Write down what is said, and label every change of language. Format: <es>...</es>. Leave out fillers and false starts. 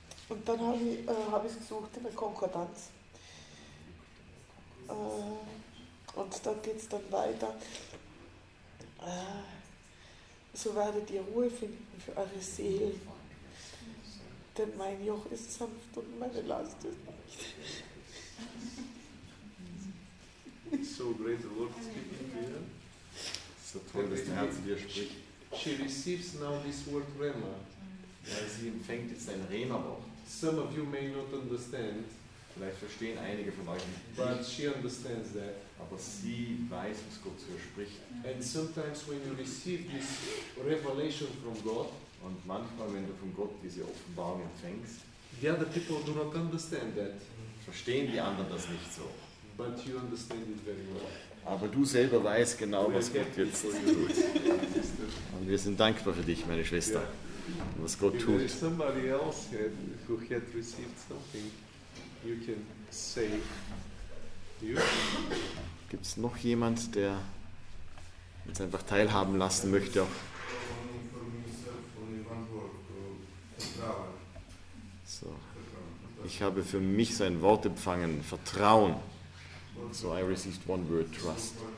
<de>Und dann habe ich gesucht in der Konkordanz. Und da geht es dann weiter. So werdet ihr Ruhe finden für eure Seelen. Denn mein Joch ist sanft und meine Last ist leicht.</de> <en>So great the Lord is speaking to you.</en> <de>So toll, dass dein Herz dir spricht.</de> <en>She receives now this word Rema.</en> <de>Ja, sie empfängt jetzt ein Rema-Wort.</de> <en>Some of you may not understand.</en> <de>Vielleicht verstehen einige von euch nicht.</de> <en>But she understands that.</en> <de>Aber sie weiß, was Gott zu ihr spricht.</de> <en>And sometimes when you receive this revelation from God,</en> <de>und manchmal, wenn du von Gott diese Offenbarung empfängst,</de> <en>the other people do not understand that.</en> <de>Verstehen die anderen das nicht so.</de> <en>But you understand it very well.</en> <de>Aber du selber weißt genau, was Gott jetzt tut. Und wir sind dankbar für dich, meine Schwester. Yeah. Was Gott tut.</de> <en>If there is somebody else had, who had received something, you can say.</en> <de>Gibt es noch jemand, der uns einfach teilhaben lassen möchte? Auch? So. Ich habe für mich sein Wort empfangen, Vertrauen.</de> <en>So I received one word, trust.</en>